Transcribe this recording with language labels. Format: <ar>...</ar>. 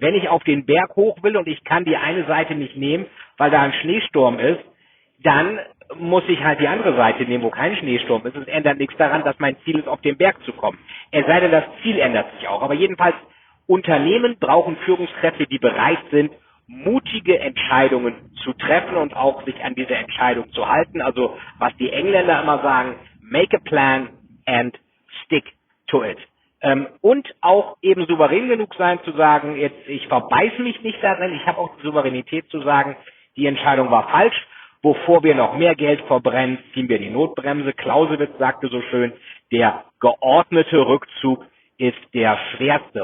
<de>Wenn ich auf den Berg hoch will und ich kann die eine Seite nicht nehmen, weil da ein Schneesturm ist, dann muss ich halt die andere Seite nehmen, wo kein Schneesturm ist. Es ändert nichts daran, dass mein Ziel ist, auf den Berg zu kommen. Es sei denn, das Ziel ändert sich auch. Aber jedenfalls, Unternehmen brauchen Führungskräfte, die bereit sind, mutige Entscheidungen zu treffen und auch sich an diese Entscheidung zu halten. Also, was die Engländer immer sagen,</de> <en>make a plan and stick to it.</en> <de>Und auch eben souverän genug sein zu sagen, jetzt ich verbeiß mich nicht darin, ich habe auch die Souveränität zu sagen, die Entscheidung war falsch. Bevor wir noch mehr Geld verbrennen, ziehen wir die Notbremse. Clausewitz sagte so schön, der geordnete Rückzug ist der schwerste.</de>